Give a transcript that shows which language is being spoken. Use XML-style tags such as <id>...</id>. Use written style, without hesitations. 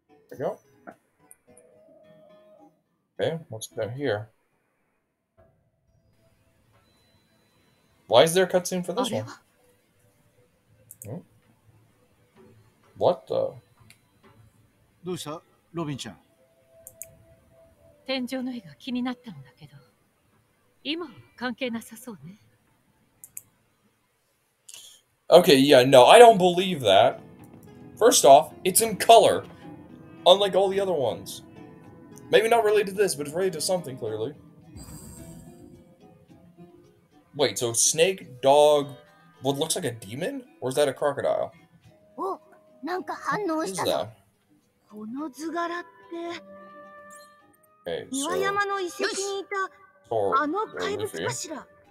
<en>There you go. Okay, what's down here? Why is there a cutscene for this one? What the?</en> <ja>どうした、ロビンちゃん。天井の絵が気になったんだけど、今は関係なさそうね。</ja> <en>Okay, yeah, no, I don't believe that. First off, it's in color, unlike all the other ones. Maybe not related to this, but it's related to something, clearly. Wait, so snake, dog, what looks like a demon? Or is that a crocodile?</en> <ja>Oh, なんか反応したの。この図柄って。岩山の遺跡にいたあの怪物かしら。</ja>